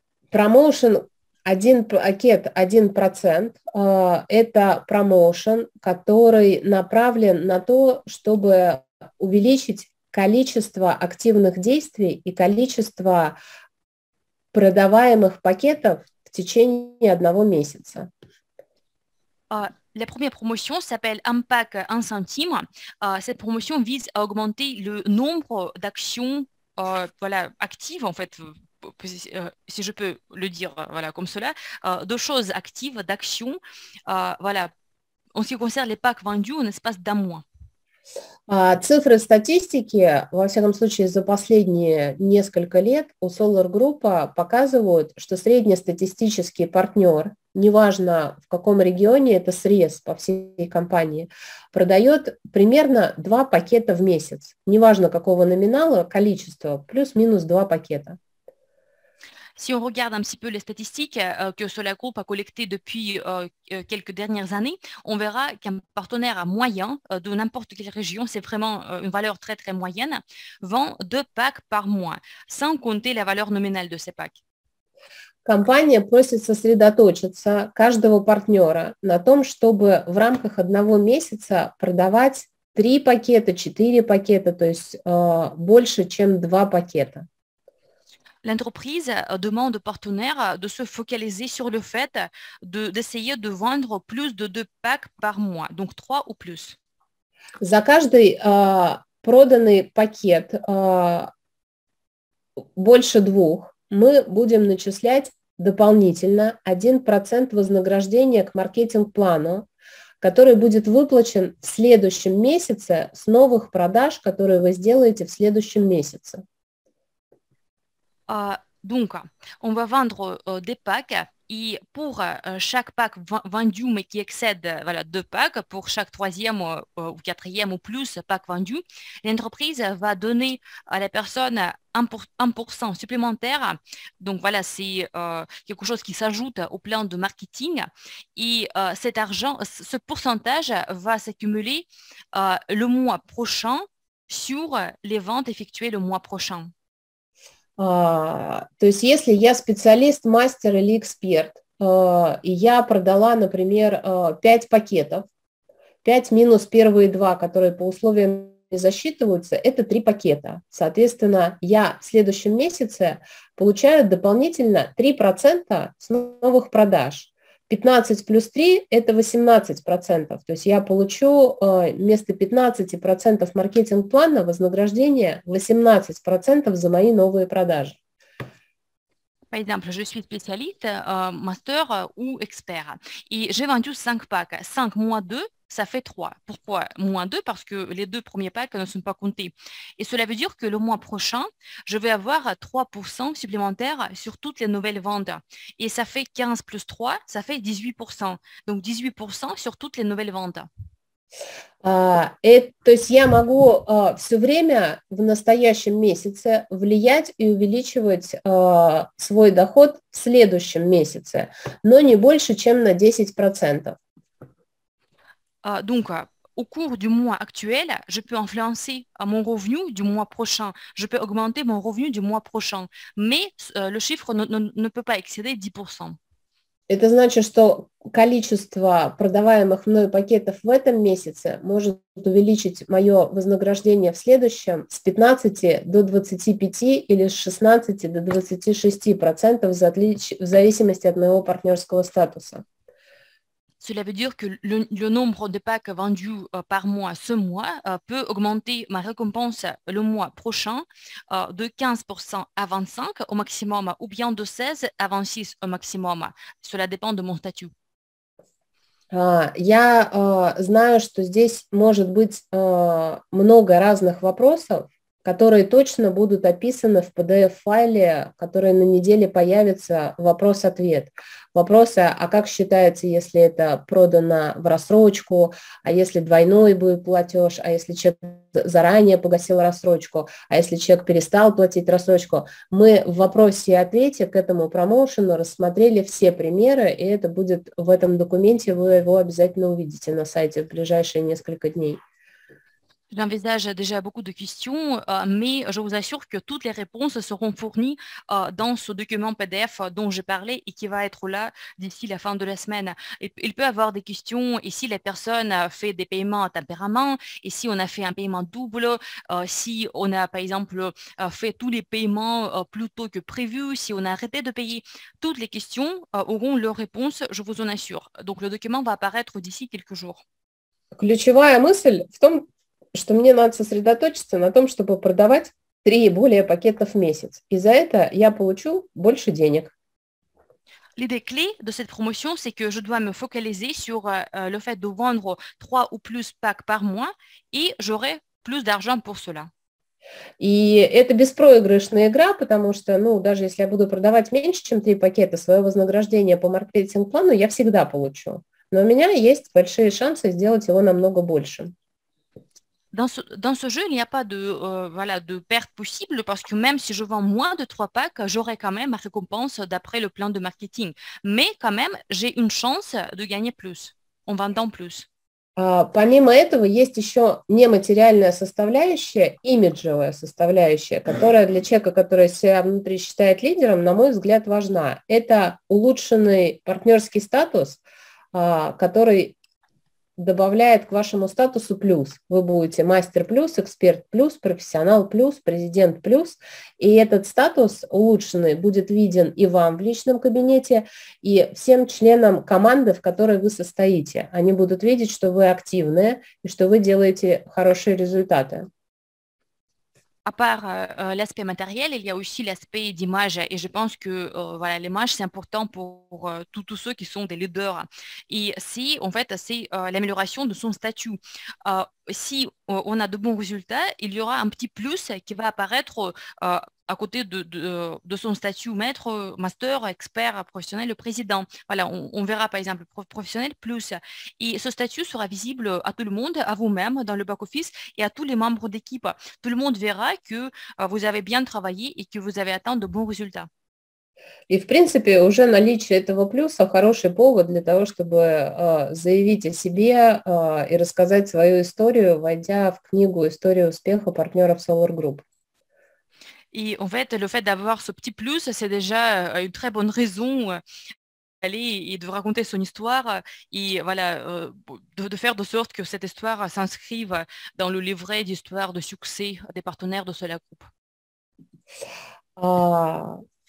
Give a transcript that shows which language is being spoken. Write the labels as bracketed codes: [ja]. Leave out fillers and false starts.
[ru] Promotion, один пакет, 1% – это промоушен, который направлен на то, чтобы увеличить количество активных действий и количество продаваемых пакетов в течение одного месяца. [fr] La première promotion s'appelle un pack un centime. Cette promotion vise à augmenter le nombre d'actions actives, en fait, si je peux le dire comme cela, de choses actives, d'actions, en ce qui concerne les packs vendus en espace d'un mois. [ru] Цифры статистики, во всяком случае, за последние несколько лет у Solar Group показывают, что среднестатистический партнер, неважно в каком регионе, это срез по всей компании, продает примерно 2 пакета в месяц, неважно какого номинала, количество, плюс-минус 2 пакета. [fr] Si on regarde un petit peu les statistiques que Solar Group a collectées depuis quelques dernières années, on verra qu'un partenaire moyen de n'importe quelle région, c'est vraiment une valeur très très moyenne, vend 2 packs par mois, sans compter la valeur nominale de ces packs. [ru] Компания просит сосредоточиться каждого партнера на том, чтобы в рамках одного месяца продавать 3 пакета, 4 пакета, то есть больше, чем 2 пакета. [fr] L'entreprise demande aux partenaires de se focaliser sur le fait d'essayer de vendre plus de 2 packs par mois, donc 3 ou plus. [ru] За каждый проданный пакет больше 2 мы будем начислять дополнительно 1% вознаграждения к маркетинг-плану, который будет выплачен в следующем месяце с новых продаж, которые вы сделаете в следующем месяце. [fr] Donc, on va vendre des packs et pour chaque pack vendu mais qui excède 2 packs, pour chaque troisième ou quatrième ou plus pack vendu, l'entreprise va donner à la personne 1% supplémentaire. Donc voilà, c'est quelque chose qui s'ajoute au plan de marketing et cet argent, ce pourcentage va s'accumuler le mois prochain sur les ventes effectuées le mois prochain. [ru] То есть если я специалист, мастер или эксперт, и я продала, например, 5 пакетов, 5 минус первые 2, которые по условиям засчитываются, это 3 пакета. Соответственно, я в следующем месяце получаю дополнительно 3% с новых продаж. 15 плюс 3 – это 18%. То есть я получу вместо 15% маркетинг-плана вознаграждение 18% за мои новые продажи. [fr] Par exemple, je suis spécialiste, master ou expert. Et j'ai vendu 5 packs. 5 moins 2, ça fait 3. Pourquoi moins 2? Parce que les deux premiers packs ne sont pas comptés. Et cela veut dire que le mois prochain, je vais avoir 3% supplémentaires sur toutes les nouvelles ventes. Et ça fait 15 plus 3, ça fait 18%. Donc 18% sur toutes les nouvelles ventes. [ru] То есть я могу все время в настоящем месяце влиять и увеличивать свой доход в следующем месяце, но не больше, чем на 10%. [fr] Donc, au cours du mois actuel, je peux influencer mon revenu du mois prochain. Je peux augmenter mon revenu du mois prochain, mais le chiffre ne peut pas excéder 10%. [ru] Это значит, что количество продаваемых мной пакетов в этом месяце может увеличить мое вознаграждение в следующем с 15 до 25 или с 16 до 26% в зависимости от моего партнерского статуса. [fr] Cela veut dire que le nombre de packs vendus par mois ce mois peut augmenter ma récompense le mois prochain de 15% à 25% au maximum ou bien de 16% à 26% au maximum. Cela dépend de mon statut. [ru] Я знаю, что здесь может быть много разных вопросов, которые точно будут описаны в PDF-файле, который на неделе появится, вопрос-ответ. Вопросы, а как считается, если это продано в рассрочку, а если двойной будет платеж, а если человек заранее погасил рассрочку, а если человек перестал платить рассрочку. Мы в вопросе и ответе к этому промоушену рассмотрели все примеры, и это будет в этом документе, вы его обязательно увидите на сайте в ближайшие несколько дней. [fr] J'envisage déjà beaucoup de questions, mais je vous assure que toutes les réponses seront fournies dans ce document PDF dont j'ai parlé et qui va être là d'ici la fin de la semaine. Il peut y avoir des questions, et si la personne fait des paiements à tempérament, et si on a fait un paiement double, si on a par exemple fait tous les paiements plus tôt que prévu, si on a arrêté de payer, toutes les questions auront leur réponse, je vous en assure. Donc le document va apparaître d'ici quelques jours. [ru] Ключевая мысль в том, что мне надо сосредоточиться на том, чтобы продавать 3 и более пакетов в месяц. И за это я получу больше денег. [fr] L'idée clé de cette promotion, c'est que je dois me focaliser sur le fait de vendre 3 ou plus packs par mois, [ru] и [fr] j'aurai plus d'argent pour cela. [ru] И это беспроигрышная игра, потому что, ну, даже если я буду продавать меньше, чем 3 пакета, свое вознаграждение по маркетинг-плану я всегда получу. Но у меня есть большие шансы сделать его намного больше. [fr] Dans ce jeu, il n'y a pas de perte possible parce que même si je vends moins de 3 packs, j'aurai quand même ma récompense d'après le plan de marketing. Mais quand même, j'ai une chance de gagner plus en vendant plus. [ru] Помимо этого, есть еще нематериальная составляющая, имиджевая составляющая, которая для человека, который себя внутри считает лидером, на мой взгляд, важна. Это улучшенный партнерский статус, который добавляет к вашему статусу плюс. Вы будете мастер плюс, эксперт плюс, профессионал плюс, президент плюс. И этот статус улучшенный будет виден и вам в личном кабинете, и всем членам команды, в которой вы состоите. Они будут видеть, что вы активные и что вы делаете хорошие результаты. [fr] À part l'aspect matériel, il y a aussi l'aspect d'image. Et je pense que l'image, c'est important pour tous ceux qui sont des leaders. Et c'est l'amélioration de son statut. Si on a de bons résultats, il y aura un petit plus qui va apparaître à côté de son statut maître, master, expert, professionnel, président. Voilà, on verra par exemple professionnel plus. Et ce statut sera visible à tout le monde, à vous-même dans le back-office et à tous les membres d'équipe. Tout le monde verra que vous avez bien travaillé et que vous avez atteint de bons résultats. [ru] И, в принципе, уже наличие этого плюса – хороший повод для того, чтобы заявить о себе и рассказать свою историю, войдя в книгу «История успеха партнеров Solar Group». И, в принципе, [fr] le fait d'avoir ce petit plus, c'est déjà une très bonne raison aller et de raconter son histoire et voilà, de faire de sorte que cette histoire s'inscrive dans le livret d'histoire de succès des partenaires de Solar Group.